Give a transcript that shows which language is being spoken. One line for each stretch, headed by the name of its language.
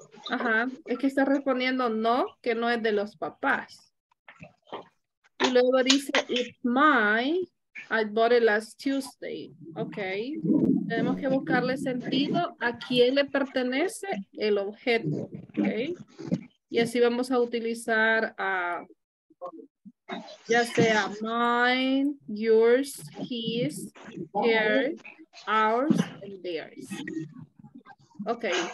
Spanish: Ajá, es que está respondiendo no, que no es de los papás. Y luego dice,
English: it's mine, I bought it last Tuesday.
Spanish: Ok, tenemos que buscarle sentido a quién le pertenece el objeto. Ok, y así vamos a utilizar a, ya sea mine, yours, his, her, ours, and theirs. Ok.